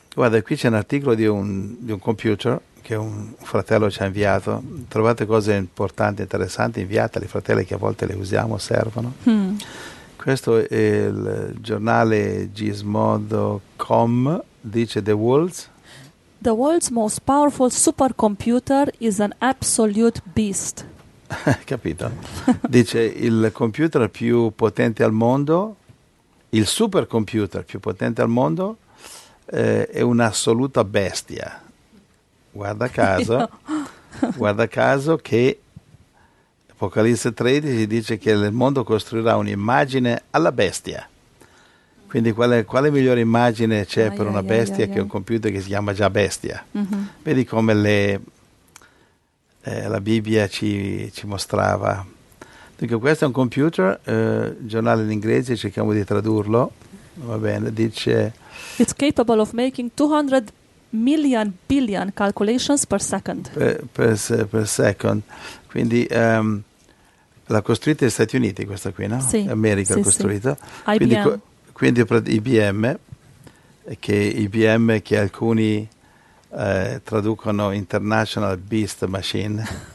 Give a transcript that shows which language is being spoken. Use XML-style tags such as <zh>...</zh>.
<it>Guarda, qui c'è un articolo di un computer che un fratello ci ha inviato. Trovate cose importanti, interessanti, inviate ai fratelli che a volte le usiamo, servono. Questo è il giornale Gizmodo.com, dice:</it> <en>The world's most powerful supercomputer is an absolute beast.</en> <it>Capito? Dice: il computer più potente al mondo, il supercomputer più potente al mondo, è un'assoluta bestia. Guarda caso, guarda caso che Apocalisse 13 dice che il mondo costruirà un'immagine alla bestia. Quindi quale migliore immagine c'è per una bestia che un computer che si chiama già bestia? Mm-hmm. Vedi come la Bibbia ci mostrava. Dunque, questo è un computer, giornale in inglese, cerchiamo di tradurlo. Va bene, dice...</it> <en>It's capable of making 200 million billion calculations per second. Per second.</en> <it>Quindi... l'ha costruita negli Stati Uniti, questa qui, no? Sì. America sì, l'ha costruita. Sì. IBM. Quindi IBM, che IBM che alcuni traducono International Beast Machine.</it>